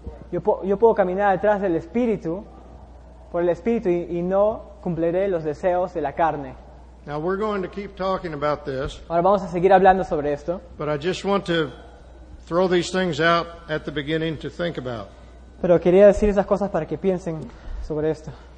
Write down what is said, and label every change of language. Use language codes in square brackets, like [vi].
[es] Yo puedo caminar detrás del Espíritu, por el Espíritu, y no cumpliré los deseos de la carne. [en] Now we're going to keep talking about this. [es] Ahora vamos a seguir hablando sobre esto. [en] But I just want to throw these things out at the beginning to think about. [es] Pero quería decir esas cosas para que piensen sobre esto.